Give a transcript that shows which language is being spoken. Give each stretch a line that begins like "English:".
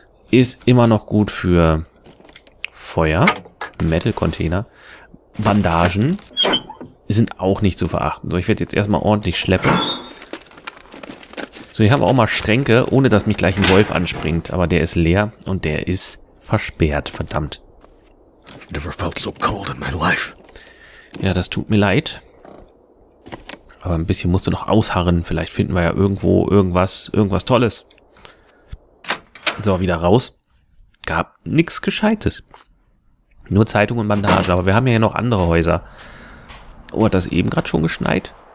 German: ist immer noch gut für Feuer, Metal-Container, Bandagen sind auch nicht zu verachten. So, ich werde jetzt erstmal ordentlich schleppen. So, hier haben wir auch mal Schränke, ohne dass mich gleich ein Wolf anspringt. Aber der ist leer und der ist versperrt, verdammt.
English: Never felt so cold in my life.
German: Ja, das tut mir leid. Aber ein bisschen musst du noch ausharren. Vielleicht finden wir ja irgendwo irgendwas Tolles. So, wieder raus. Gab nichts Gescheites. Nur Zeitung und Bandage. Aber wir haben ja noch andere Häuser. Oh, hat das eben gerade schon geschneit?